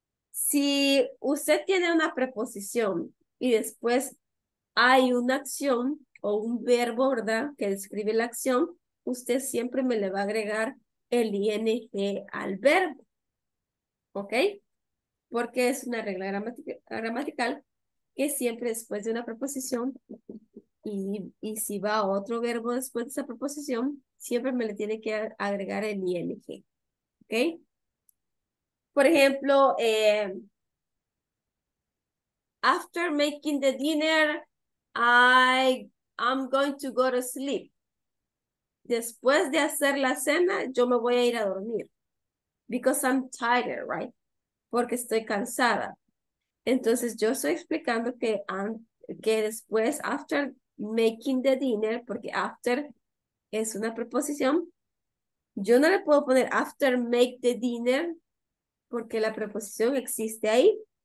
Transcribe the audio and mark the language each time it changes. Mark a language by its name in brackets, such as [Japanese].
[Spanish] Si usted tiene una preposición y después hay una acción o un verbo, ¿verdad?, que describe la acción, usted siempre me le va a agregar el ing al verbo, ¿ok? Porque es una regla gramatical que siempre después de una preposición y si va otro verbo después de esa preposición, siempre me le tiene que agregar el ing, ¿ok? Por ejemplo, [English] after making the dinner, I'm going to go to sleep. [Spanish] Después de hacer la cena, yo me voy a ir a dormir. [English] Because I'm tired, right? [Spanish] Porque estoy cansada. Entonces, yo estoy explicando que después, [English] after making the dinner, [Spanish] porque after es una preposición, yo no le puedo poner [English] after make the dinner, [Spanish] porque la preposición existe ahí.